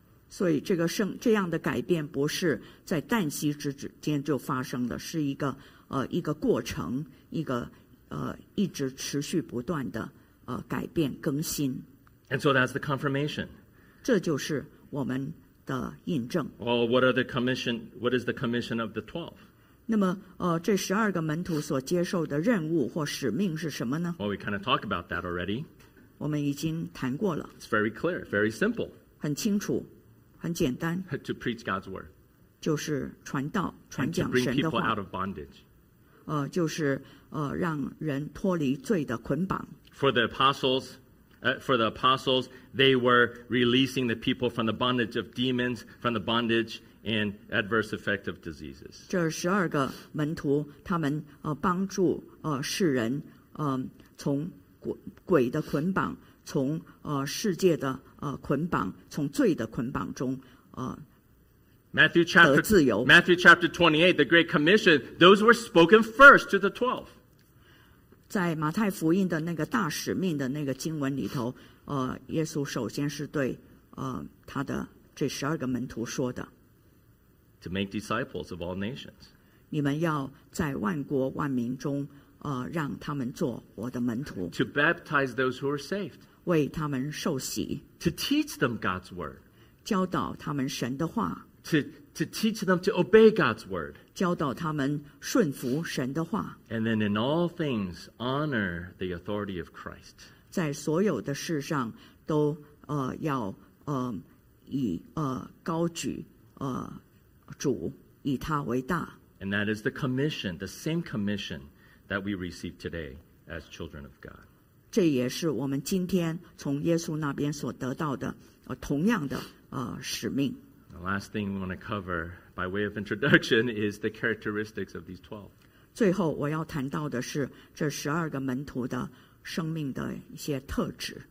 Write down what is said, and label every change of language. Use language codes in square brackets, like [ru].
[zh] 所以这样的改变不是在旦夕之间就发生的，是一个一个过程，一个一直持续不断的改变更新。 [en] And so that's the confirmation. [zh] 这就是我们的印证。 [en] Well, what is the commission of the 12? [zh] 那么这十二个门徒所接受的任务或使命是什么呢？ [en] Well, we kind of talked about that already. [zh] 我们已经谈过了。 [en] It's very clear, very simple. [zh] 很清楚，很简单。 [en] To preach God's word. [zh] 就是传道，传讲神的话。 [en] And to bring people out of bondage. [zh] 就是让人脱离罪的捆绑。 [en] For the apostles, they were releasing the people from the bondage of demons, from the bondage and adverse effect of diseases. [zh] 这十二个门徒，他们帮助世人从鬼的捆绑，从世界的捆绑，从罪的捆绑中得自由。 [en] Matthew chapter 28, the Great Commission, those were spoken first to the 12. [zh] 在马太福音的那个大使命的那个经文里头，耶稣首先是对他的这十二个门徒说的。 [en] To make disciples of all nations. [zh] 你们要在万国万民中让他们做我的门徒。 [en] To baptize those who are saved. [zh] 为他们受洗。 [en] To teach them God's word. [zh] 教导他们神的话。 [en] To teach them to obey God's word. [zh] 教导他们顺服神的话。 [en] And then in all things honor the authority of Christ. [zh] 在所有的事上都要以高举主，以他为大。 [en] And that is the commission, the same commission that we receive today as children of God. [zh] 这也是我们今天从耶稣那边所得到的同样的使命。 [en] The last thing we want to cover by way of introduction is the characteristics of these 12. [zh] 最后我要谈到的是这十二个门徒的生命的一些特质。